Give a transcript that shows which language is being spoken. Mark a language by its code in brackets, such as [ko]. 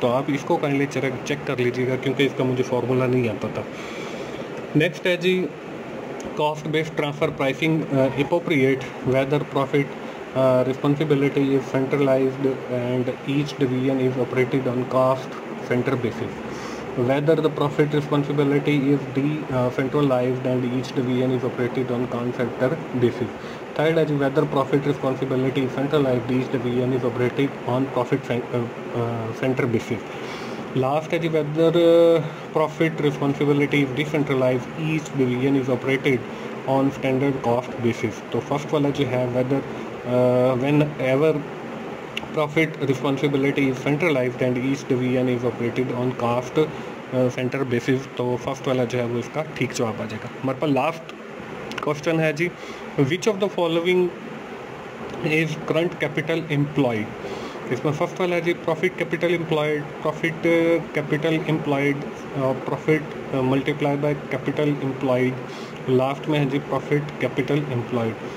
[hi] तो आप इसको काइंडली चेक कर लीजिएगा क्योंकि इसका मुझे फार्मूला नहीं आता था। नेक्स्ट है जी [en] Cost based transfer pricing appropriate whether profit responsibility is centralized and each division is operated on cost center basis. Whether the profit responsibility is decentralized and each division is operated on concentrated basis. Third is whether profit responsibility is centralized, each division is operated on profit center basis. Last is whether profit responsibility is decentralized, each division is operated on standard cost basis. So first one is whether whenever profit responsibility is centralized and each division is operated on cost center basis, [hi] तो first वाला जो है वो इसका ठीक जवाब आ जाएगा। हमारे पास लास्ट क्वेश्चन है जी [en] Which of the following is current capital employed. [hi] इसमें फर्स्ट वाला है जी [en] profit capital employed, profit capital employed, profit multiply by capital employed, [hi] last में है जी [en] Profit capital employed.